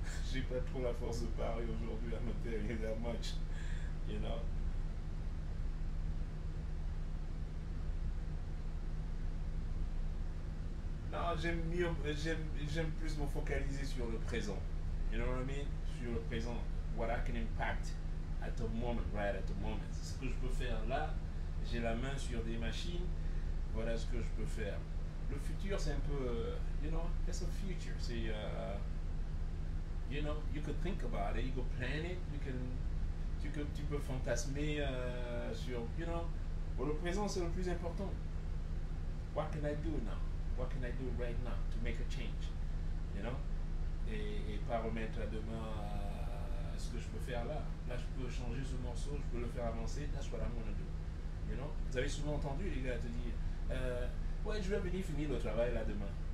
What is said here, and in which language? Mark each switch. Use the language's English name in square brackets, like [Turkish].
[French] J'ai pas trop la force de parler aujourd'hui à noter rien d'un match. [English] You know. [French] Non, j'aime plus me focaliser sur le présent. [English] You know what I mean? [French] Sur le présent. [English] What I can impact at the moment, right at the moment. [French] C'est ce que je peux faire là. J'ai la main sur des machines. Voilà ce que je peux faire. Le futur, c'est un peu. [English] You know, that's the future. [French] C'est. [English] You know, you could think about it. You could plan it. You can. [French] Tu peux fantasmer sur, [English] you know, [French] pour le présent c'est le plus important. [English] What can I do now? What can I do right now to make a change? You know? [French] Et pas remettre à demain ce que je peux faire là. Là je peux changer ce morceau, je peux le faire avancer, [English] that's what I'm gonna do. You know? [French] Vous avez souvent entendu les gars te dire, ouais je vais venir finir le travail là demain.